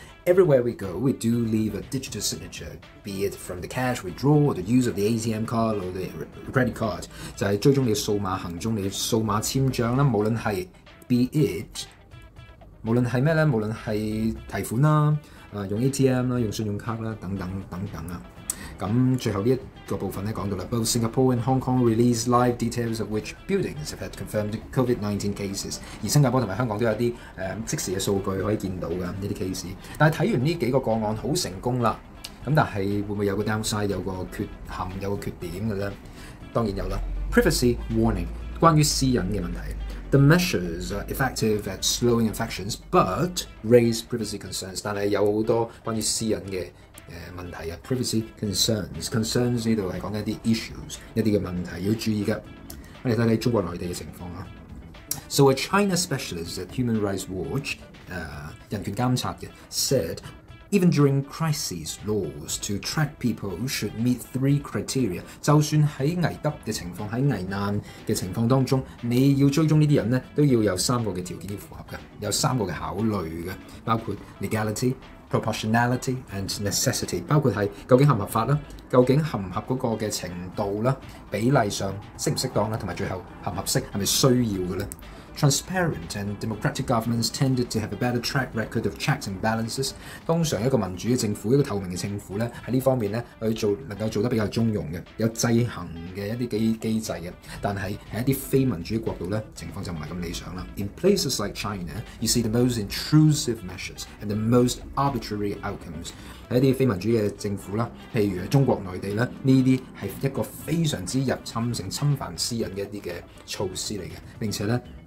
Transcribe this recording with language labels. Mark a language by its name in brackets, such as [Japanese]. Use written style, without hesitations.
[English] Everywhere we go, we do leave a digital signature, be it from the cash withdrawal, or the use of the ATM card or the credit card。 [Cantonese] 就係追蹤你嘅數碼行蹤，你嘅數碼簽章啦，無論係 [English] be it。 [Cantonese] 無論係咩咧，無論係提款啦、用 ATM 啦、用信用卡啦，等等等等啦。咁最後呢一個部分咧講到啦 [English] ，Both Singapore and Hong Kong release live details of which buildings have had confirmed COVID-19 cases。 [Cantonese] 而新加坡同埋香港都有啲即時嘅數據可以見到嘅呢啲 case。但係睇完呢幾個個案好成功啦，咁但係會唔會有個 downside， 有個缺陷，有個缺點嘅咧？當然有啦。 [English] Privacy warning， [Cantonese] 關於私隱嘅問題。 [English] The measures are effective at slowing infections, but raise privacy concerns. [Cantonese] 但係有好多關於私隱嘅問題啊。 Privacy concerns 呢度係講一啲 issues， 一啲嘅問題要注意嘅。我哋睇睇中國內地嘅情況啊。 [English] So a China specialist at Human Rights Watch， [Cantonese] 人權監察嘅 [English] ，said even during crises, laws to track people should meet three criteria。 [Cantonese] 就算喺危急嘅情況，喺危難嘅情況當中，你要追蹤呢啲人咧，都要有三個嘅條件要符合嘅，有三個嘅考慮嘅，包括 [English] legality、proportionality and necessity。 [Cantonese] 包括係究竟合唔合法啦，究竟合唔合嗰個嘅程度啦，比例上適唔適當啦，同埋最後合唔合適，係咪需要嘅咧？ [English] Transparent and democratic governments tended to have a better track record of checks and balances。 [Cantonese] 通常一個民主嘅政府，一個透明嘅政府咧，喺呢方面咧，佢能夠做得比較中庸嘅，有制衡嘅一啲機制嘅。但係喺一啲非民主嘅國度咧，情況就唔係咁理想啦。 [English] In places like China, you see the most intrusive measures and the most arbitrary outcomes。 [Cantonese] 喺一啲非民主嘅政府啦，譬如中國內地咧，呢啲係一個非常之入侵性、侵犯私隱嘅一啲嘅措施嚟嘅，並且咧。